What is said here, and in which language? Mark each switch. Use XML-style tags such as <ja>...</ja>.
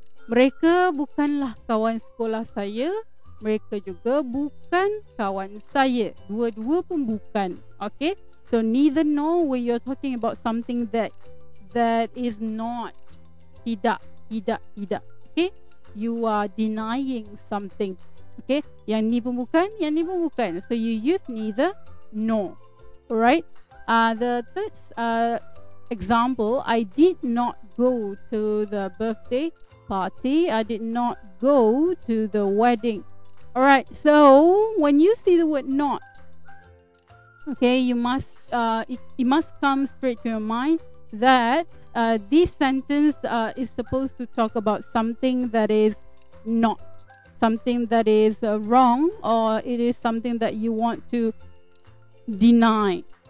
<ms>Mereka bukanlah kawan sekolah saya, mereka juga bukan kawan saya. Dua-dua pun bukan.</ms> <en>Okay, so neither nor when you're talking about something that is not, tidak. Okay, you are denying something.</en> <ms>Okay, yang ni pun bukan, yang ni pun bukan.</ms> <en>So you use neither nor. Alright, the third example, I did not go to the birthday party, I did not go to the wedding. Alright, so when you see the word not, okay, you must it must come straight to your mind that this sentence is supposed to talk about something that is not, something that is wrong, or it is something that you want to deny.</en>